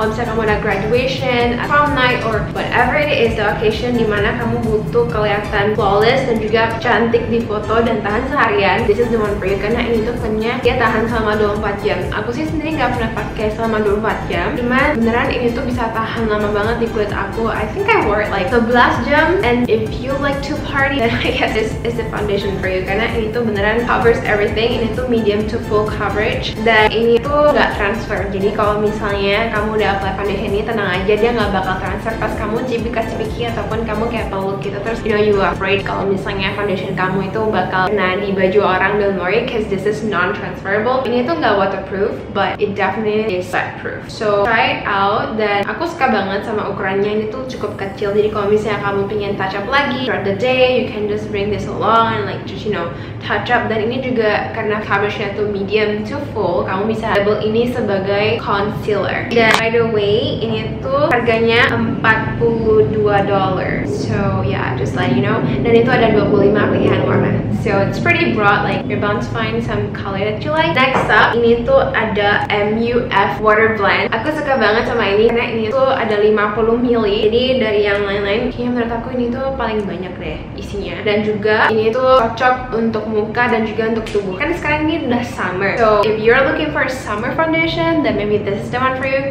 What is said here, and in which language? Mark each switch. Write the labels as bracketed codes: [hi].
[id] Kalau misalnya kamu ada graduation, [en] prom night, or whatever it is the occasion [id] dimana kamu butuh kelihatan flawless dan juga cantik di foto dan tahan seharian, [en] this is the one for you. [id] Karena ini tuh punya dia tahan selama 24 jam. Aku sih sendiri gak pernah pakai selama 24 jam, cuman beneran ini tuh bisa tahan lama banget di kulit aku. [en] I think I wore it like 11 [id] jam, [en] and if you like to party, then I guess this is the foundation for you. [id] Karena ini tuh beneran [en] covers everything. [id] Ini tuh [en] medium to full coverage [id] dan ini tuh gak transfer. Jadi kalau misalnya kamu udah apply foundation ini, tenang aja, dia gak bakal transfer pas kamu cipika-cipiki ataupun kamu kayak peluk gitu. Terus [en] you know you afraid [id] kalau misalnya foundation kamu itu bakal kena di baju orang, [en] don't worry, cause this is non-transferable. [id] Ini tuh gak waterproof, [en] but it definitely is sweatproof. So try it out, [id] dan aku suka banget sama ukurannya. Ini tuh cukup kecil, jadi kalau misalnya kamu pengen [en] touch up lagi throughout the day, you can just bring this along and like just you know touch up. [id] Dan ini juga karena coverage-nya tuh [en] medium to full, [id] kamu bisa label ini sebagai concealer. Dan by the way, ini tuh harganya 40 [en] $2. So yeah, just letting you know. [id] Dan itu ada 25 pilihan warna. [en] So it's pretty broad, like you're bound to find some color that you like. [id] Next up, ini tuh ada MUF Water Blend. Aku suka banget sama ini karena ini tuh ada 50 ml. Jadi dari yang lain-lain, kayaknya menurut aku ini tuh paling banyak deh isinya. Dan juga ini tuh cocok untuk muka dan juga untuk tubuh. Kan sekarang ini udah summer. [en] So if you're looking for a summer foundation, then maybe this is the one for you.